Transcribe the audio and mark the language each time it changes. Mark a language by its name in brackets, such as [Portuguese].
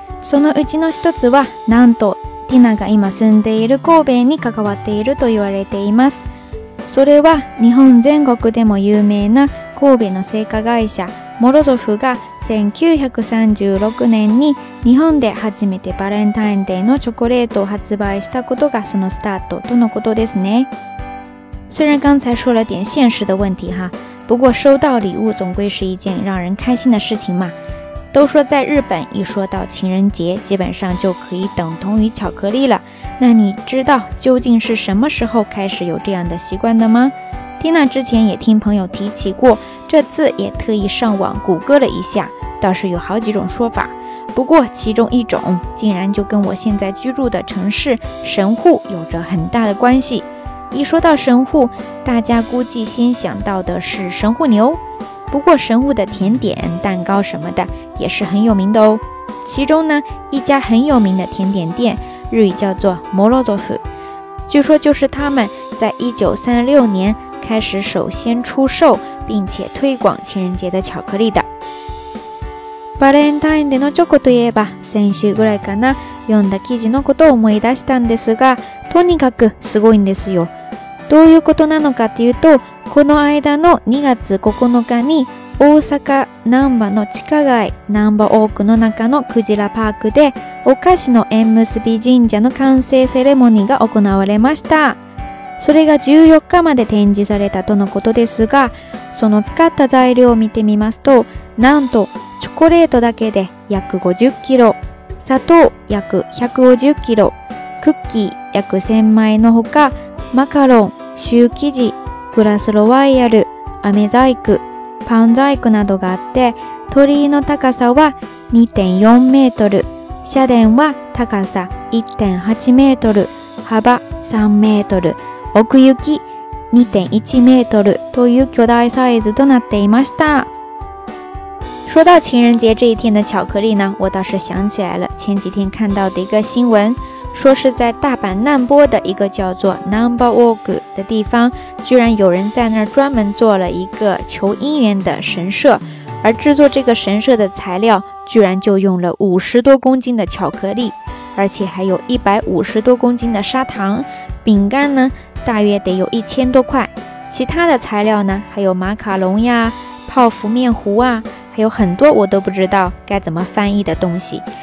[Japanese] そのうちの一つは、なんとティナが今住んでいる神戸に関わっていると言われています。それは日本全国でも有名な神戸の製菓会社モロゾフが1936年に日本で初めてバレンタインデーのチョコレートを発売したことがそのスタートとのことですね。 [Chinese] 虽然刚才说了点现实的问题哈，不过收到礼物总归是一件让人开心的事情嘛。都说在日本，一说到情人节，基本上就可以等同于巧克力了。那你知道究竟是什么时候开始有这样的习惯的吗？蒂娜之前也听朋友提起过，这次也特意上网谷歌了一下，倒是有好几种说法，不过其中一种竟然就跟我现在居住的城市神户有着很大的关系。一说到神户，大家估计先想到的是神户牛，不过神户的甜点蛋糕什么的也是很有名的哦。其中呢，一家很有名的甜点店，日语叫做摩洛佐夫，据说就是他们在1936年开始首先出售并且推广情人节的巧克力的。 [Japanese] バレンタインデーのチョコといえば、先週ぐらいかな、読んだ記事のことを思い出したんですが、とにかくすごいんですよ。どういうことなのかというと、この間の2月9日に大阪難波の地下街難波オークの中のクジラパークでお菓子の縁結び神社の完成セレモニーが行われました。それが14日まで展示されたとのことですが、その使った材料を見てみますと、なんとチョコレートだけで約50キロ、砂糖約150キロ、クッキー約1000枚のほか、マカロン、シュー生地、グラスロワイヤル、飴細工、パン細工などがあって、鳥居の高さは 2.4 メートル、社殿は高さ 1.8 メートル、幅3メートル、奥行き 2.1 メートルという巨大サイズとなっていました。 [Chinese] 说到情人节这一天的巧克力呢，我倒是想起来了，前几天看到的一个新闻，说是在大阪难波的一个叫做 Number Walk 的地方，居然有人在那儿专门做了一个求姻缘的神社，而制作这个神社的材料居然就用了50多公斤的巧克力，而且还有150多公斤的砂糖，饼干呢大约得有1000多块，其他的材料呢还有马卡龙呀、泡芙面糊啊，还有很多我都不知道该怎么翻译的东西。